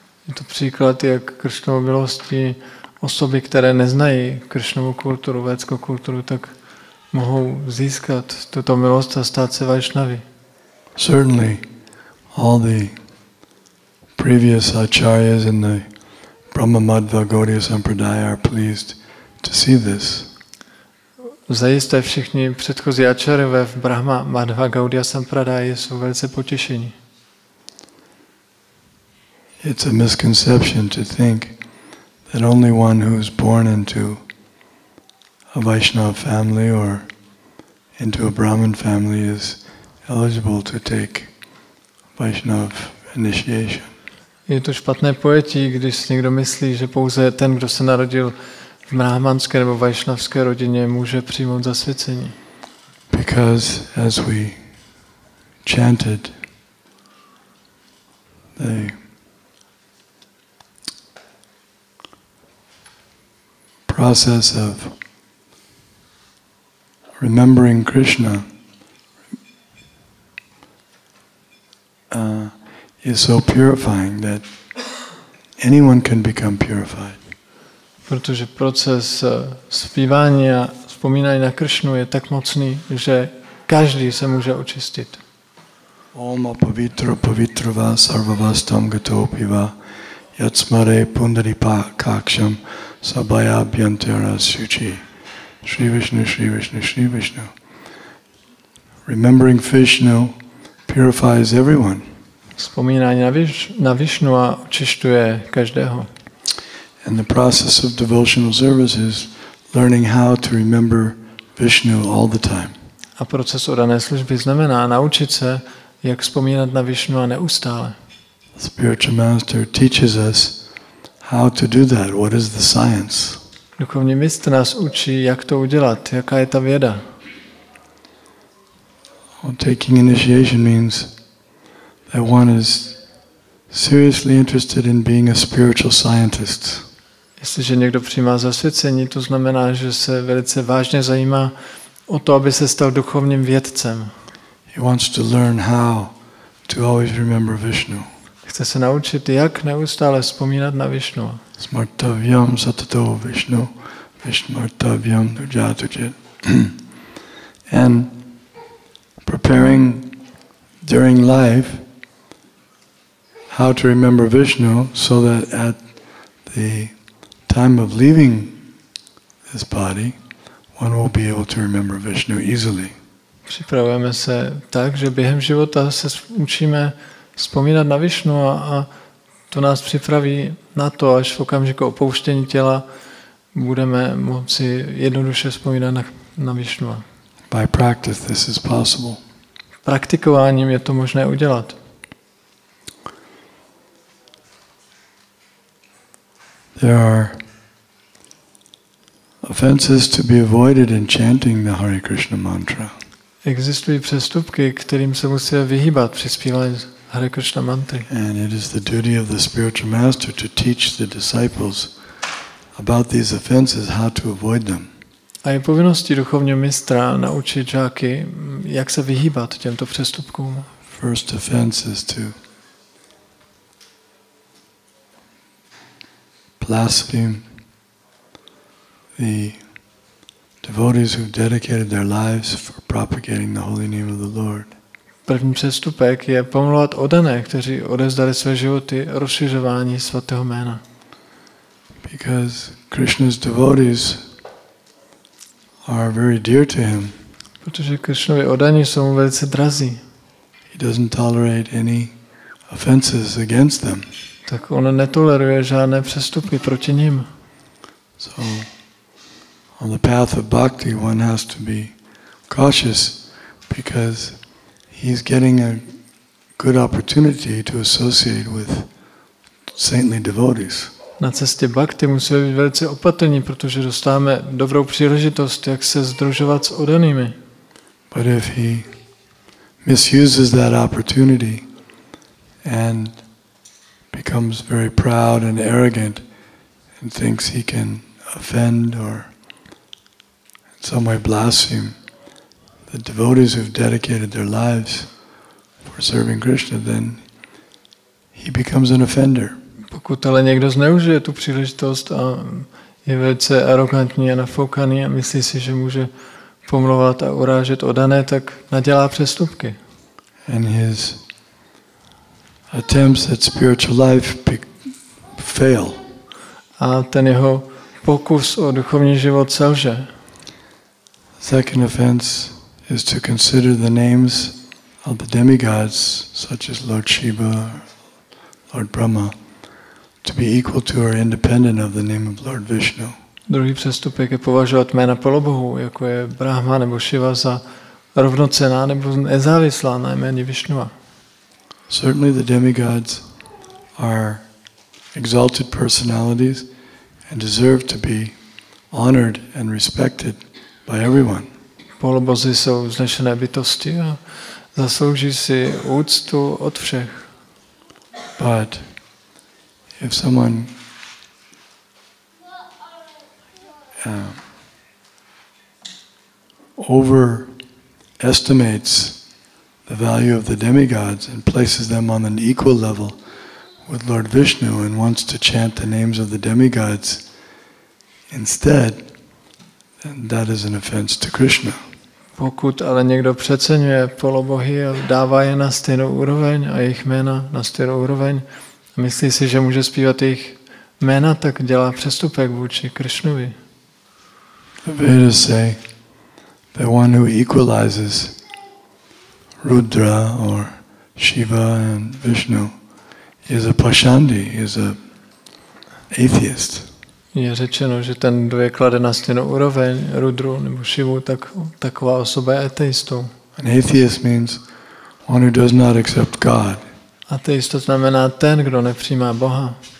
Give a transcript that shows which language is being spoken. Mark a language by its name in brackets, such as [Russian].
[Czech] Je to příklad, jak Krishnovou milosti osoby, které neznají Krishnovou kulturu, védskou kulturu, tak mohou získat tuto milost a stát se Vaishnavy. [English] Certainly, all the previous acharyas in the Brahma Madhva Gaudiya Sampradaya are pleased to see this. [Czech] Zajisté všichni předchozí acharyové v Brahma Madhva Gaudiya Sampradaya jsou velice potěšení. [English] It's a misconception to think that only one who is born into a Vaishnava family or into a Brahmin family is eligible to take Vaishnava initiation. [Czech] Je to špatné pojetí, když si někdo myslí, že pouze ten, kdo se narodil v brahmanské nebo vaishnavské rodině, může přijmout zasvěcení. [English] Because as we chanted process of remembering Krishna is so purifying that anyone can become purified. [Czech] Protože proces zpívání a vzpomínání na Krishnu je tak mocný, že každý se může očistit. [Sanskrit] Om apavitra pavitrava sarvavastam gatopiva yatsmare pundaripakaksham Sabaya Bhyantara Suchi. Shri Vishnu, Shri Vishnu, Shri Vishnu. [English] Remembering Vishnu purifies everyone. [Czech] Vzpomínání na Vishnu a očišťuje každého. [English] And the process of devotional service is learning how to remember Vishnu all the time. [Czech] A proces oddané služby znamená naučit se, jak vzpomínat na Vishnu a neustále. [English] The spiritual master teaches us how to do that? What is the science? [Czech] Duchovní mistr nás učí, jak to udělat. Jaká je ta věda? [English] Well, taking initiation means that one is seriously interested in being a spiritual scientist. [Czech] Jestliže někdo přijímá zasvěcení, to znamená, že se velice vážně zajímá o to, aby se stal duchovním vědcem. [English] He wants to learn how to always remember Vishnu. [Czech] Chce se naučit, jak neustále vzpomínat na Vishnu. [Sanskrit] Smartavyam satato Vishnu, Vishmartavyam dujatujit. [English] And preparing during life how to remember Vishnu so that at the time of leaving this body one will be able to remember Vishnu easily. [Czech] Připravujeme se tak, že během života se učíme vzpomínat na Vishnu a to nás připraví na to, až v okamžiku opouštění těla budeme moci jednoduše vzpomínat na Vishnu. [English] By practice this is possible. [Czech] Praktikováním je to možné udělat. [English] There are offenses to be avoided in chanting the Hare Krishna mantra. [Czech] Existují přestupky, kterým se musíme vyhýbat při zpívání Hare Krishna mantry. [English] And it is the duty of the spiritual master to teach the disciples about these offenses, how to avoid them. [Czech] A je povinností duchovního mistra naučit žáky, jak se vyhýbat těmto přestupkům. [English] First offense is to blaspheme the devotees who've dedicated their lives for propagating the holy name of the Lord. [Czech] První přestupek je pomlouvat oddané, kteří odevzdali své životy rozšiřování svatého jména. [English] Because Krishna's devotees are very dear to him. [Czech] Protože Krishnovi oddaní jsou mu velice drazí. [English] He doesn't tolerate any offenses against them. [Czech] Tak on netoleruje žádné přestupky proti ním. [English] So on the path of bhakti one has to be cautious because he's getting a good opportunity to associate with saintly devotees. [Czech] Na cestě bhakti musíme být velice opatrní, protože dostáváme dobrou příležitost, jak se sdružovat s oddanými. [English] But if he misuses that opportunity and becomes very proud and arrogant and thinks he can offend or in some way blaspheme the devotees who've dedicated their lives for serving Krishna, then he becomes an offender. [Czech] Pokud ale někdo zneužije tu příležitost a je velice arrogantní a nafoukaný a myslí si, že může pomlouvat a urážet oddané, tak nadělá přestupky. [English] And his attempts at spiritual life fail. [Czech] A ten jeho pokus o duchovní život selže. [English] Second offense is to consider the names of the demigods, such as Lord Shiva, Lord Brahma, to be equal to or independent of the name of Lord Vishnu. [Czech] Druhý přestupek je považovat jména polobohů, jako je Brahma nebo Shiva, za rovnocenná nebo nezávislá na jméně Vishnu. [English] Certainly the demigods are exalted personalities and deserve to be honored and respected by everyone. [Czech] Polobozy jsou vznešené bytosti a zaslouží si úctu od všech. [English] But if someone overestimates the value of the demigods and places them on an equal level with Lord Vishnu and wants to chant the names of the demigods instead, then that is an offense to Krishna. [Czech] Pokud ale někdo přeceňuje polobohy a dává je na stejnou úroveň a jejich jména na stejnou úroveň a myslí si, že může zpívat jejich jména, tak dělá přestupek vůči Krishnovi. [English] The Vedas say that one who equalizes Rudra or Shiva and Vishnu is a Pashandi, is a atheist. [Czech] Je řečeno, že ten, kdo je klade na stejnou úroveň Rudru nebo Shivu, tak taková osoba je ateistou. [English] An atheist means one who does not accept God. [Czech] Ateista znamená ten, kdo nepřijímá Boha.